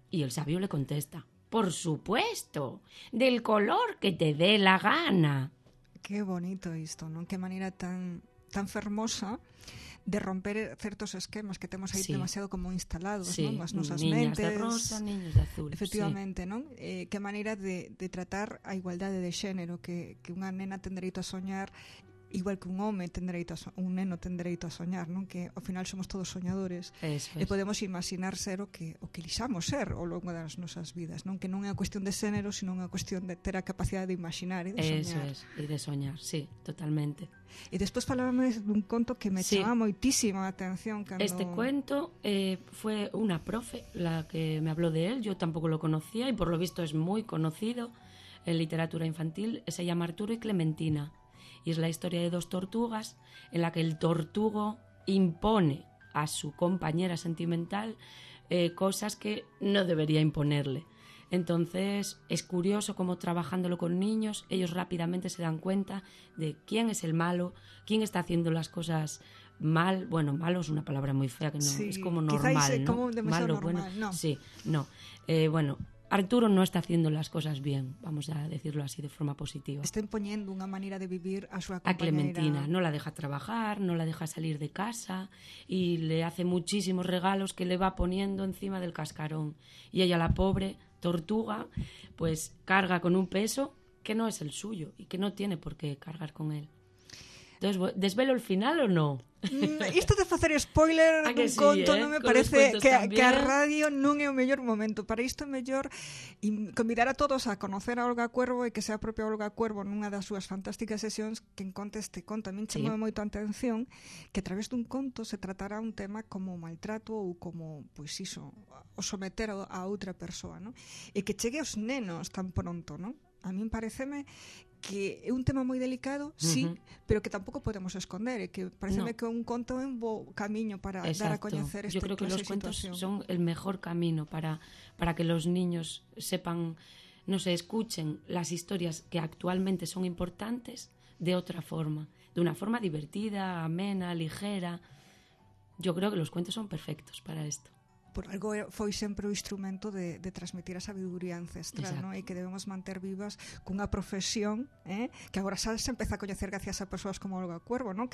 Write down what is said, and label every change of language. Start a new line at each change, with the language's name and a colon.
Spanish: Y el sabio le contesta, por supuesto, del color que te dé la gana. Qué bonito esto, ¿no? Qué manera tan fermosa de romper ciertos esquemas que tenemos ahí, sí, demasiado como instalados, sí, ¿no? Más nuestras mentes. Niñas de rosa, niños de azul. Efectivamente, sí, ¿no?
Galician: ¿Qué manera de tratar a igualdade de género? Que unha nena ten dereito a soñar igual que un home ten dereito a un neno ten dereito a soñar, non? Que ao final somos todos soñadores. Eso, e podemos imaginar ser o que lixamos ser ao longo das nosas vidas, non? Que non é a cuestión de xénero, sino unha cuestión de ter a capacidade de imaginar e de soñar. Eso es, e de soñar, sí, totalmente. E despois falábame dun conto que me chamaba, sí, moitísima atención. Cando...
Spanish: Este cuento foi unha profe la que me habló de él, yo tampouco lo conocía e por lo visto é moi conocido en literatura infantil. Se llama Arturo e Clementina. Y es la historia de dos tortugas en la que el tortugo impone a su compañera sentimental cosas que no debería imponerle. Entonces es curioso cómo trabajándolo con niños ellos rápidamente se dan cuenta de quién es el malo, quién está haciendo las cosas mal. Bueno, malo es una palabra muy fea, que no, sí, es como normal, quizás, ¿no? Como demasiado malo, normal, bueno, no. Sí, no. Bueno... Arturo no está haciendo las cosas bien, vamos a decirlo así de forma positiva. Está imponiendo una manera de vivir a su compañera. A Clementina, no la deja trabajar, no la deja salir de casa y le hace muchísimos regalos que le va poniendo encima del cascarón. Y ella, la pobre tortuga, pues carga con un peso que no es el suyo y que no tiene por qué cargar con él. Entonces, ¿desvelo el final o no?
Galician: Isto de facer spoiler dun conto, sí, non me parece que a radio non é o mellor momento. Para isto é mellor convidar a todos a conocer a Olga Cuervo e que sea a propia Olga Cuervo nunha das súas fantásticas sesións que conte este conto. A min chamou, sí, moito a atención que a través dun conto se tratará un tema como maltrato ou como, pois iso, o someter a outra persoa, ¿no? E que chegue aos nenos tan pronto, ¿no? A min pareceme que é un tema moi delicado, sí, uh-huh, pero que tampouco podemos esconder, e que pareceme, no, que un conto é un bo camiño para, exacto, dar a coñecer esta,
Spanish: yo creo,
Galician: clase situación.
Spanish: Cuentos son el mejor camino para que los niños sepan, no sé, escuchen las historias que actualmente son importantes de otra forma, de una forma divertida, amena, ligera. Yo creo que los cuentos son perfectos para esto.
Galician: Por algo foi sempre o instrumento de transmitir a sabiduría ancestral, ¿no? E que debemos manter vivas cunha profesión, que agora xa se empeza a coñecer gracias a persoas como Olga Cuervo, ¿no?